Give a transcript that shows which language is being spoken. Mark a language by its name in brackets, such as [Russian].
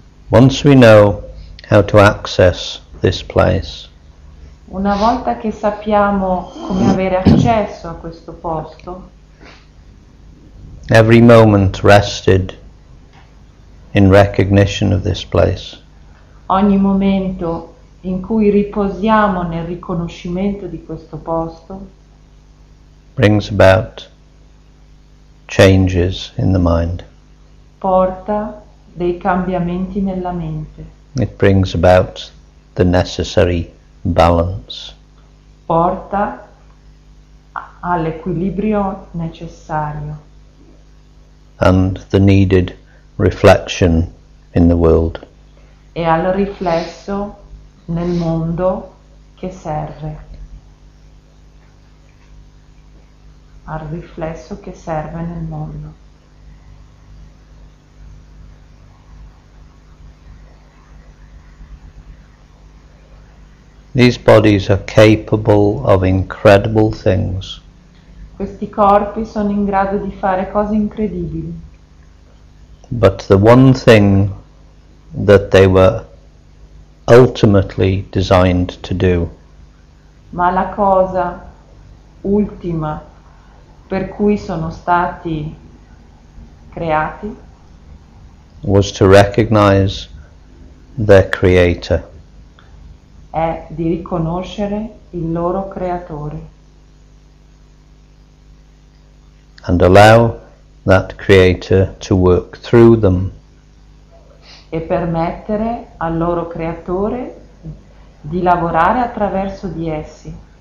[English] Once we know how to access this place, [Italian] Una volta che sappiamo come avere accesso a questo posto, [English] every moment rested in recognition of this place. [Italian] ogni momento in cui riposiamo nel riconoscimento di questo posto, [English] Brings about changes in the mind. [Italian] porta dei cambiamenti nella mente. [English] It brings about the necessary balance. [Italian] Porta all'equilibrio necessario. [English] And the needed reflection in the world. [Italian] E al riflesso nel mondo che serve. Al riflesso che serve nel mondo. [English] These bodies are capable of incredible things. [Italian] Questi corpi sono in grado di fare cose incredibili. [English] But the one thing that they were ultimately designed to do. [Italian] Ma la cosa ultima per cui sono stati creati [English] was to recognize their creator. [Italian] È di riconoscere il loro creatore. [English] And allow that creator to work through them. [Italian] E permettere al loro creatore di lavorare attraverso di essi.